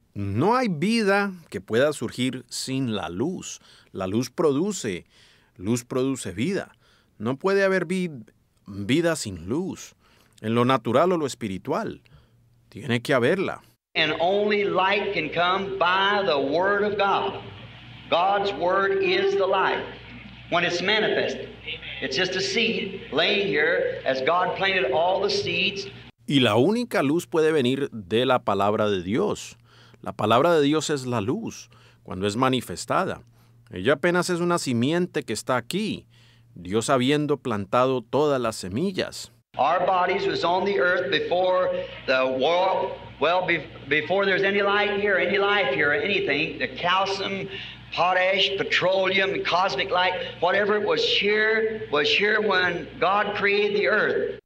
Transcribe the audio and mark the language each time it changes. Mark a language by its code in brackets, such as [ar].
[es] No hay vida que pueda surgir sin la luz. La luz produce vida. No puede haber vida sin luz, en lo natural o lo espiritual. Tiene que haberla. [en] And only light can come by the Word of God. God's Word is the light. When it's manifested, it's just a seed laying here as God planted all the seeds. [es] Y la única luz puede venir de la palabra de Dios. La palabra de Dios es la luz cuando es manifestada. Ella apenas es una simiente que está aquí. Dios habiendo plantado todas las semillas. [en] Our bodies was on the earth before the world, before there's any light here, any life here, anything, the calcium, potash, petroleum, cosmic light, whatever was here when God created the earth.